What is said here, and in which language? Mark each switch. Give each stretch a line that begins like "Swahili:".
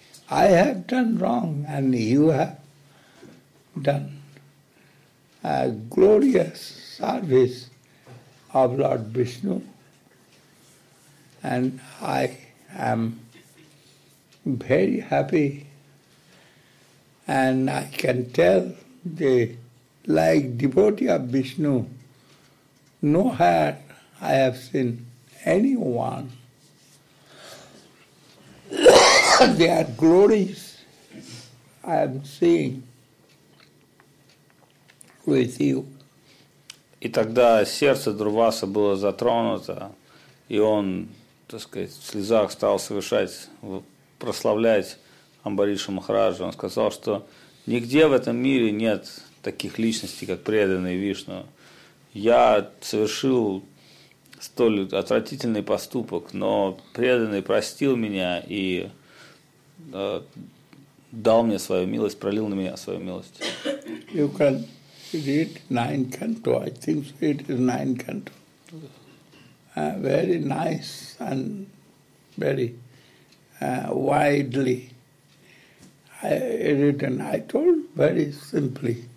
English: I have done wrong and you have done a glorious service of Lord Vishnu, and I am very happy, and I can tell the like devotee of Vishnu, nowhere I have seen anyone. Their glories I am seeing with you.
Russian: И тогда сердце Дурваса было затронуто, и он, так сказать, в слезах стал совершать, прославлять Амбариша Махараджа. Он сказал, что нигде в этом мире нет таких личностей, как преданный Вишну. Я совершил столь отвратительный поступок, но преданный простил меня и дал мне свою милость, пролил на меня свою милость.
English: You can read nine canto, I think it is nine canto. Very nice and very widely written. I told very simply.